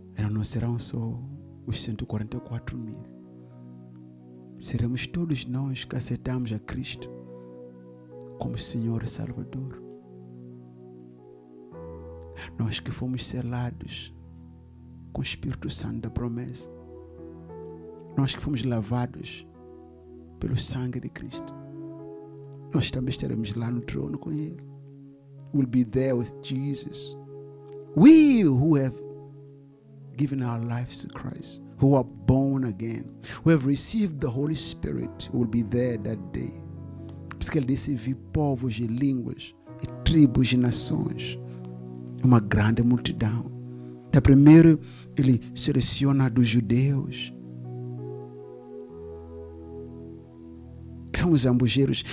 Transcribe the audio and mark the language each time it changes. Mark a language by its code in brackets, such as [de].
[pt] Não serão só os 144 mil, seremos todos nós que aceitamos a Cristo como Senhor e Salvador. Nós que fomos selados com o Espírito Santo da promessa. Nós que fomos lavados pelo sangue de Cristo. Nós também estaremos lá no trono com Ele. [en] We'll be there with Jesus. We who have given our lives to Christ, who are born again, who have received the Holy Spirit, will be there that day. [pt] Porque Ele disse, vi povos e línguas e tribos e nações. Uma grande multidão. Então, primeiro, Ele seleciona dos judeus, que são os ambujeiros.